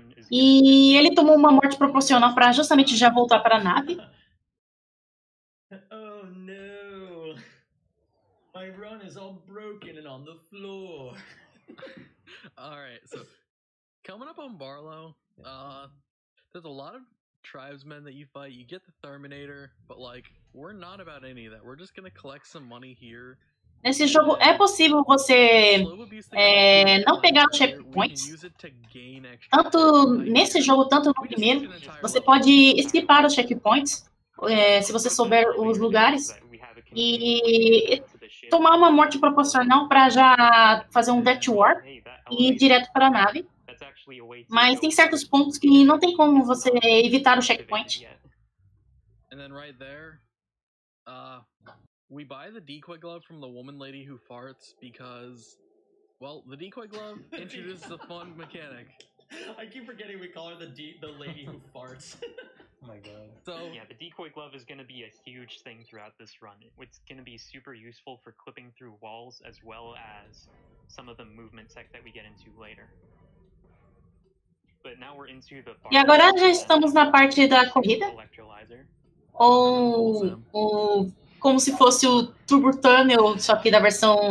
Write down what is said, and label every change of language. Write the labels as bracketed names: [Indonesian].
[Portuguese] E ele tomou uma morte proporcional para justamente já voltar para a nave. Oh, não! [English] My run is all broken and on the floor. All right, so coming up on Barlow, there's a lot of tribesmen that you fight. You get the Terminator, but like, we're not about any of that. We're just gonna collect some money here. [Portuguese] Nesse jogo é possível você não pegar os checkpoints, tanto nesse jogo, tanto no primeiro. Você pode esquipar os checkpoints, se você souber os lugares, e tomar uma morte proporcional para já fazer um death warp e ir direto para a nave. Mas tem certos pontos que não tem como você evitar o checkpoint. E [English] aí, we buy the decoy glove from the woman lady who farts because, well, the decoy glove introduces a fun mechanic. I keep forgetting we call her the lady who farts. Oh my god. So yeah, the decoy glove is going to be a huge thing throughout this run. It's going to be super useful for clipping through walls as well as some of the movement tech that we get into later. But now we're into the [Portuguese] bar. E agora já estamos na parte da corrida. Electrolyzer. Oh, oh. Como se fosse o Turbo Tunnel, só que da versão